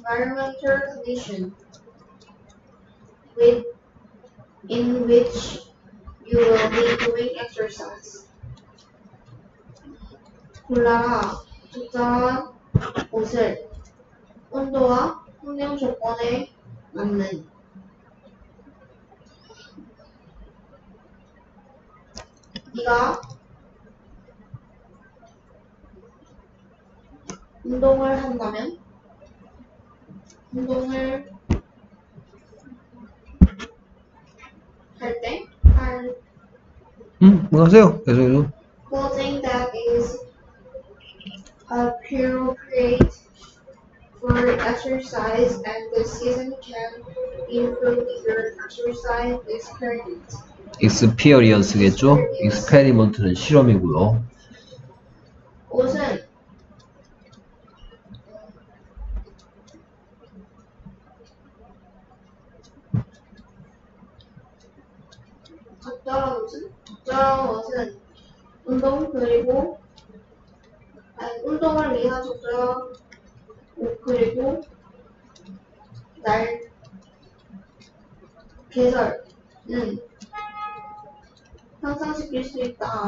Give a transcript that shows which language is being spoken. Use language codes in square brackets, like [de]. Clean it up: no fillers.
[en] condition in which you will be doing exercise. [ko] 골라라 적절한 옷을 온도와 환경 조건에 맞는. 네가 운동을 한다면 운동을 할 때 뭐 하세요? 계속해서 [en] clothing that is appropriate for exercise and the season can improve your exercise experience. [ko] Experience겠죠? Experiment는 실험이고요. 옷은 적절한 옷은 운동 그리고 운동을 위한 적절한 옷 그리고 날 계절은 향상시킬 수 있다.